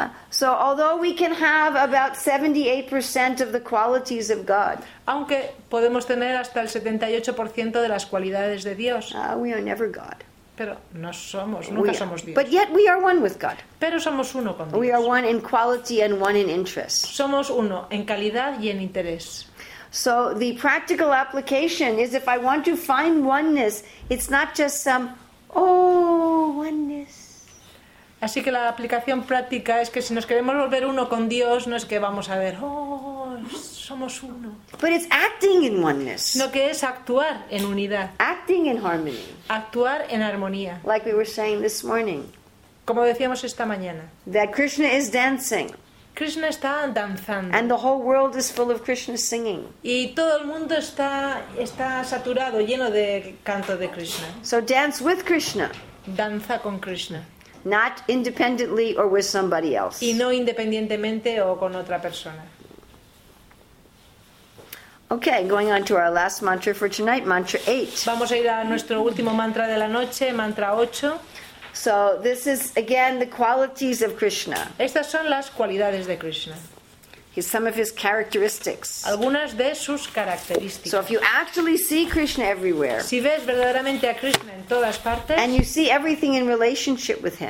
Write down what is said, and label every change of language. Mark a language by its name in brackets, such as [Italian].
[English] So although we can have about 78% of the qualities of God, [Spanish] aunque podemos tener hasta el 78% de las cualidades de Dios, [English] we are never God. [Spanish] Pero no somos, nunca somos Dios. [English] But yet we are one with God. [Spanish] Pero somos uno con Dios. [English] We are one in quality and one in interest. [Spanish] Somos uno en calidad y en interés. [English] So the practical application is, if I want to find oneness, it's not just some, oh, oneness. [Spanish] Así que la aplicación práctica es que si nos queremos volver uno con Dios, no es que vamos a ver, oh, somos uno. [English] But it's acting in oneness. [Spanish] Sino que es actuar en unidad. [English] Acting in harmony. [Spanish] Actuar en armonía. [English] Like we were saying this morning. [Spanish] Como decíamos esta mañana. [English] That Krishna is dancing. [Spanish] Krishna está danzando. [English] And the whole world is full of Krishna singing. [Spanish] Y todo el mundo está saturado, lleno de canto de Krishna. [English] So dance with Krishna. [Spanish] Danza con Krishna. [English] Not independently or with somebody else. [Spanish] Y no independientemente o con otra persona. [English] Okay, going on to our last mantra for tonight, mantra 8. [Spanish] Vamos a ir a nuestro último mantra de la noche, mantra 8. [English] So this is again the qualities of Krishna. [Spanish] Estas son las cualidades de Krishna. [English] His, some of his characteristics. [Spanish] Algunas de sus características. [English] So if you actually see Krishna everywhere, [Spanish] si ves verdaderamente a Krishna en todas partes, [English] and you see everything in relationship with him,